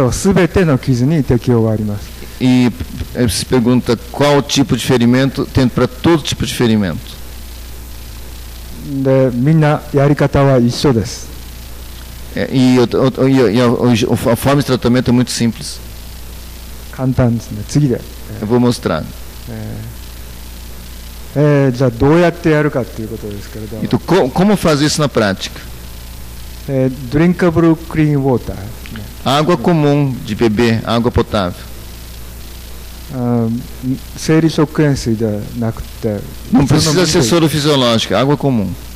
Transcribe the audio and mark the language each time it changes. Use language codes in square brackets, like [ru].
[ja] じゃあどういう傷に適用があるかっていうと、すべての傷に適用があります。 [pt] E se pergunta qual tipo de ferimento tem para todo tipo de ferimento. [ja] で、みんなやり方は一緒です。 [pt] E a forma de tratamento é muito simples. [ja] 簡単ですね。次で。 [pt] Eu vou mostrar. [ja] じゃあどうやってやるかっていうことですけれども。 [pt] Então como fazer isso na prática? [en] Drinkable clean water. [pt] Água comum de beber, água potável. Não precisa ser soro fisiológico, água comum.